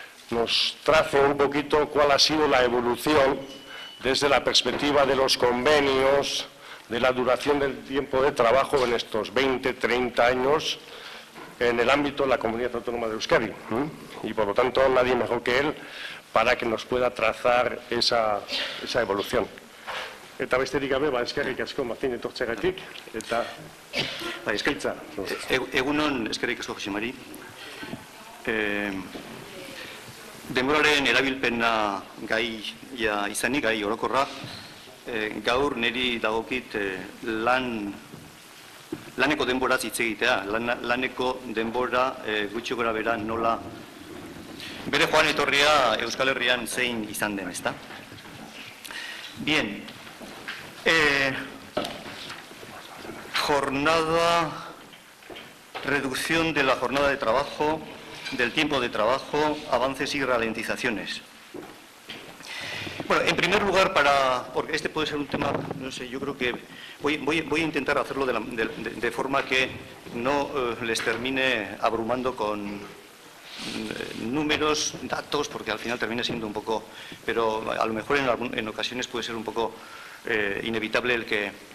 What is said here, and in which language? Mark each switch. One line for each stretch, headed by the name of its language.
Spanish: nos trace un poquito cuál ha sido la evolución desde la perspectiva de los convenios de la duración del tiempo de trabajo en estos 20, 30 años en el ámbito de la Comunidad Autónoma de Euskadi. Y por lo tanto, nadie mejor que él para que nos pueda trazar esa evolución.
Basque: Eta besterik gabe, eskerrik asko Martin etortzeagatik, eta eskaitza. Egunon eskerrik asko Jose Mari. Denboraren erabilpena gai orokorra, gaur niri dagokit laneko denbora hitz egitea, laneko denbora gutxi gora bera nola bere joan etorria Euskal Herrian zein izan den, ezta?
Spanish: Bien, jornada, reducción de la jornada de trabajo, del tiempo de trabajo, avances y ralentizaciones. Bueno, en primer lugar, porque este puede ser un tema, no sé, yo creo que voy a intentar hacerlo de forma que no les termine abrumando con números, datos, porque al final termina siendo un poco, pero a lo mejor en ocasiones puede ser un poco inevitable el que